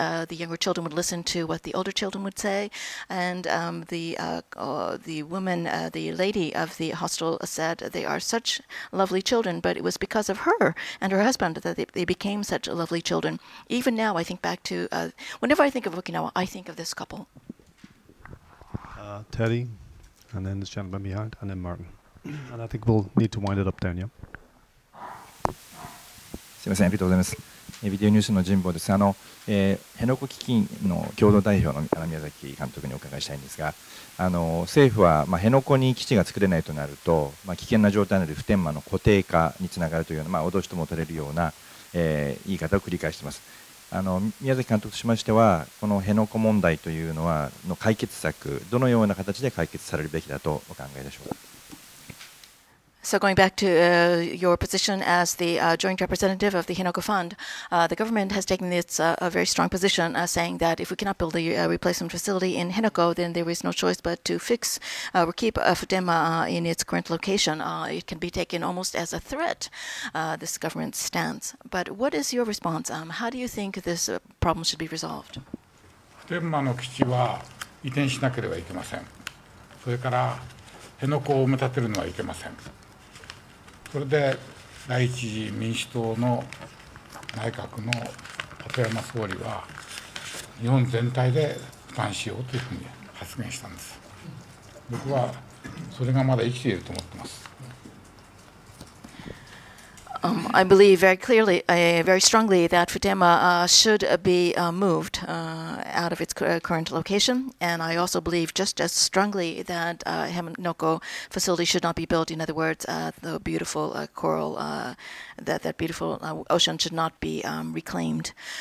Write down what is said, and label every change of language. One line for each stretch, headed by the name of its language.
English: The younger children would listen to what the older children would say, and the lady of the hostel said, they are such lovely children, but it was because of her and her husband that they became such lovely children. Even now, I think back to, whenever I think of Okinawa, I think of this couple. Teddy, and then this gentleman behind, and then Martin. And I think we'll need to wind it up then, yeah?
Japanese: すみません、ありがとうございます。ビデオニュースの神保です。辺野古基金の共同代表の宮崎監督にお伺いしたいんですが、政府は、辺野古に基地が作れないとなると、危険な状態になる普天間の固定化につながるというような、脅しとも取れるような、言い方を繰り返しています。宮崎監督としましては、この辺野古問題というのはの解決策、どのような形で解決されるべきだとお考えでしょうか。
English: So going back to your position as the joint representative of the Hinoko Fund, the government has taken this a very strong position, saying that if we cannot build a replacement facility in Hinoko, then there is no choice but to fix or keep Futenma in its current location. It can be taken almost as a threat, this government's stance. But what is your response? How do you think this problem should be resolved?
Japanese: Futenma の基地は移転しなければいけません。それから辺野古を埋め立てるのはいけません。それで第一次民主党の内閣の鳩山総理は、日本全体で負担しようというふうに発言したんです。僕はそれがまだ生きていると思ってます。
English: I believe very clearly, very strongly, that Futenma should be moved out of its current location. And I also believe just as strongly that Hinoko facility should not be built. In other words, the beautiful coral, that beautiful ocean should not be reclaimed.